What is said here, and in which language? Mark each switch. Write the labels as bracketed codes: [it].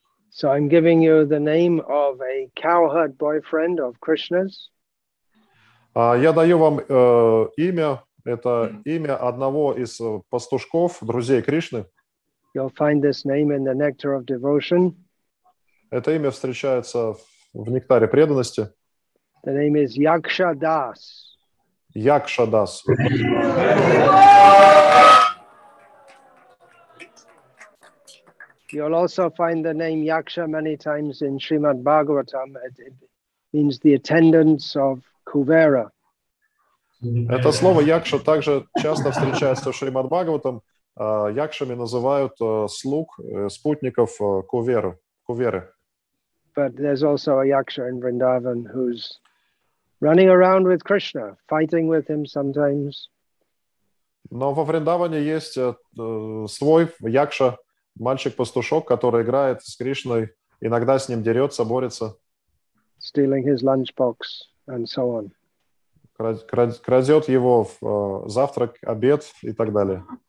[en] So I'm giving you the name of a cowherd boyfriend of Krishna's. [ru] Я даю вам имя, это имя одного из пастушков, друзей Кришны. [en] You'll find this name in the Nectar of Devotion. [ru] Это имя встречается в Нектаре преданности. [en] The name is Yaksha Das. Yaksha Das. You'll also find the name Yaksha many times in Srimad Bhagavatam. It means the attendants of Kuvera. [ru] Это слово Yaksha также часто встречается в Шримад Бхагаватам. Якшами называют слуг, спутников Куверы. [en] But there's also a Yaksha in Vrindavan who's running around with Krishna, fighting with him sometimes. [ru] Но во Вриндаване есть свой Якша, мальчик-пастушок, который играет с Кришной, иногда с ним дерется, борется. [en] Stealing his lunchbox and so on. [ru] Крадет его в завтрак, обед и так далее.